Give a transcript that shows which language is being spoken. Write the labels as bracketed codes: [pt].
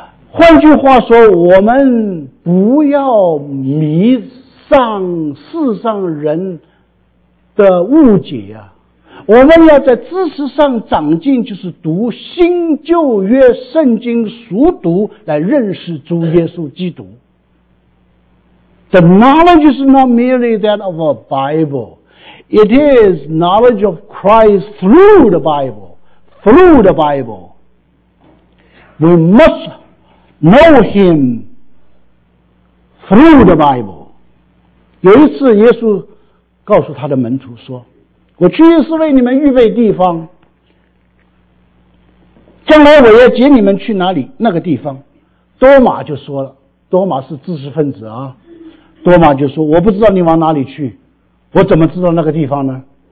[zh] 换句话说，我们不要迷上世上人的误解啊，我们要在知识上长进，就是读新旧约圣经熟读，来认识主耶稣基督。 [en] The knowledge is not merely that of a Bible. It is knowledge of Christ through the Bible. Through the Bible. We must know him through the Bible. [zh] 有一次耶稣告诉他的门徒说，我去是为你们预备地方，将来我要接你们去哪里，那个地方。多马就说了，多马是知识分子啊，多马就说，我不知道你往哪里去，我怎么知道那个地方呢？